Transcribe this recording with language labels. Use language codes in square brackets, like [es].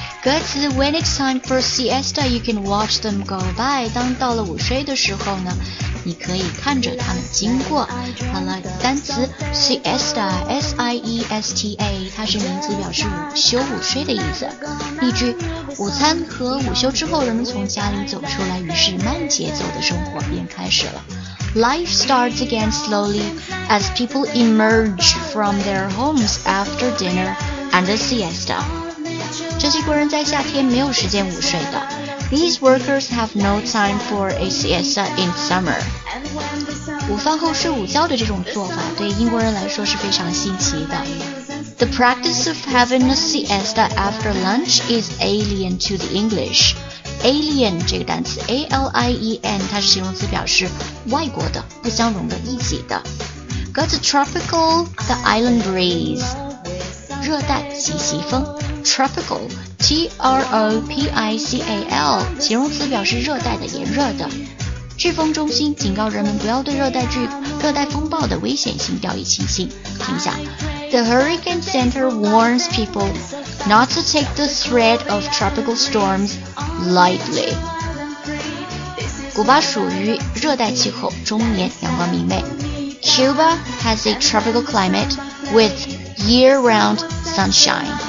[zh] 歌词 [en] When it's time for siesta you can watch them go by， [zh] 当到了午睡的时候呢，你可以看着他们经过。好了，单词 siesta S-I-E-S-T-A 它是名词，表示午休午睡的意思。例句，午餐和午休之后人们从家里走出来，于是慢节奏的生活便开始了。 [en] Life starts again slowly as people emerge from their homes after dinner and a siesta. [zh] 这些工人在夏天没有时间午睡的。 [en] These workers have no time for a siesta in summer. [zh] 午饭后睡午觉的这种做法对英国人来说是非常新奇的。 [en] The practice of having a siesta after lunch is alien to the English. [zh] Alien 这个单词 A-L-I-E-N 它是形容词，表示外国的，不相容的，异己的。 [en] Got a tropical, the island breeze. [zh] 热带西西风 Tropical, T-R-O-P-I-C-A-L 形容词，表示热带的，炎热的。飓风中心警告人们不要对热带风暴的危险性掉以轻心。听一下 [en] The Hurricane Center warns people not to take the threat of tropical storms lightly. [zh] 古巴属于热带气候，终年阳光明媚。 [en] Cuba has a tropical climate with year-round sunshine.